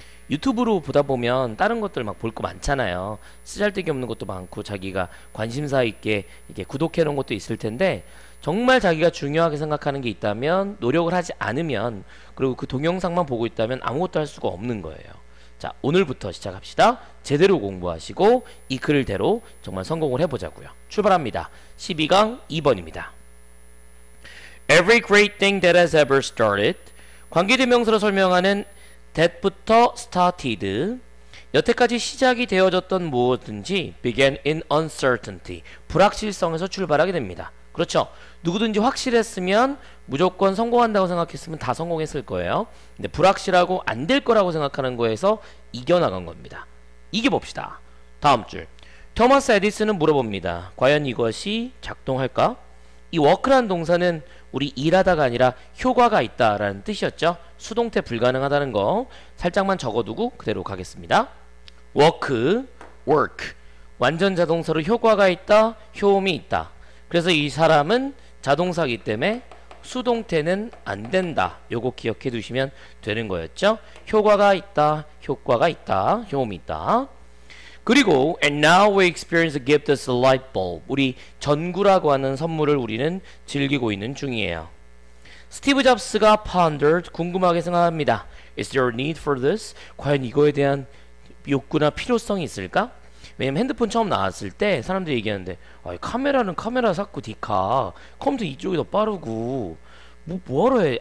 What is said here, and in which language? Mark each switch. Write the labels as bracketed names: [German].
[Korean] 유튜브로 보다 보면 다른 것들 막볼거 많잖아요. 쓰잘데기 없는 것도 많고, 자기가 관심사 있게 이렇게 구독해 놓은 것도 있을 텐데, 정말 자기가 중요하게 생각하는 게 있다면, 노력을 하지 않으면, 그리고 그 동영상만 보고 있다면 아무것도 할 수가 없는 거예요. 자, 오늘부터 시작합시다. 제대로 공부하시고 이 글대로 정말 성공을 해보자고요. 출발합니다. 12강 2번입니다. [English] Every great thing that has ever started. [Korean] 관계대명사로 설명하는 that부터 started. 여태까지 시작이 되어졌던 무엇든지 [English] began in uncertainty. [Korean] 불확실성에서 출발하게 됩니다. 그렇죠. 누구든지 확실했으면 무조건 성공한다고 생각했으면 다 성공했을 거예요. 근데 불확실하고 안될 거라고 생각하는 거에서 이겨나간 겁니다. 이겨봅시다. 다음 줄. 토마스 에디슨은 물어봅니다. 과연 이것이 작동할까? 이 워크란 동사는 우리 일하다가 아니라 효과가 있다라는 뜻이었죠. 수동태 불가능하다는 거 살짝만 적어두고 그대로 가겠습니다. 워크, work. 완전 자동사로 효과가 있다, 효험이 있다. 그래서 이 사람은 자동사기 때문에 수동태는 안 된다. 요거 기억해 두시면 되는 거였죠. 효과가 있다, 효험이 있다. 그리고 [English] and now we experience a gift as a light bulb. [Korean] 우리 전구라고 하는 선물을 우리는 즐기고 있는 중이에요. 스티브 잡스가 pondered, 궁금하게 생각합니다. [English] Is there a need for this? [Korean] 과연 이거에 대한 욕구나 필요성이 있을까? 왜냐면 핸드폰 처음 나왔을 때 사람들이 얘기하는데, 아, 카메라는 카메라 샀고 디카 컴퓨터 이쪽이 더 빠르고 뭐하러 해?